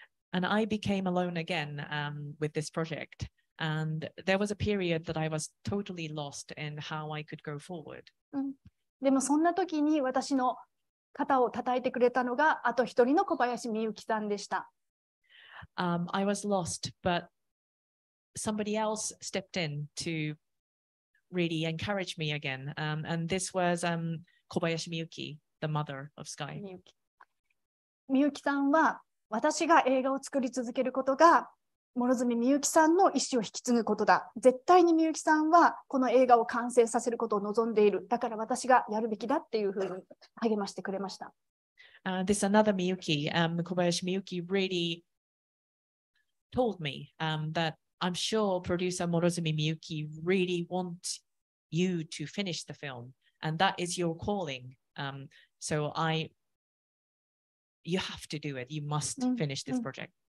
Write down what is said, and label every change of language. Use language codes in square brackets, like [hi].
[en] And I became alone again with this project. And there was a period that I was totally lost in how I could go forward. [ja] でもそんな時に私の肩を叩いてくれたのが、あと一人の小林みゆきさんでした。 [en] I was lost, but somebody else stepped in to really encourage me again. And this was Kobayashi Miyuki, the mother of Sky. [ja] みゆきさんは、私が映画を作り続けることが諸角みゆきさんの意思を引き継ぐことだ、絶対にみゆきさんはこの映画を完成させることを望んでいる、だから私がやるべきだっていうふうに励ましてくれました。 [en] This another Miyuki, Kobayashi Miyuki really told me that I'm sure producer 諸角みゆき really wants you to finish the film and that is your calling, so IYou have to do it. You must finish this project.